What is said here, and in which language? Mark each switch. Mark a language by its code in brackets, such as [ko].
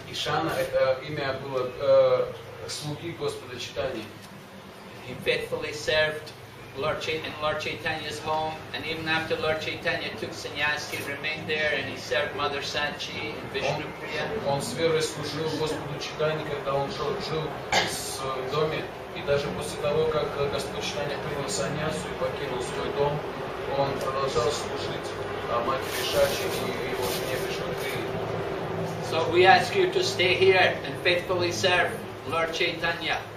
[ru] Ishana это имя было слуги Господа Чайтаньи. [en] He faithfully served Lord Chaitanya, Lord Chaitanya's home, and even after Lord Chaitanya took sannyas, he remained there and he served Mother Sanchi and Vishnupriya. [ru] Он с верой служил Господу Чайтанье, когда он жил в доме, и даже после того, как Господь Чайтанье принял саньясу и покинул свой дом, он продолжал служить матери Сачи и его жене Вишнуприи. [en] So we ask you to stay here and faithfully serve Lord Chaitanya.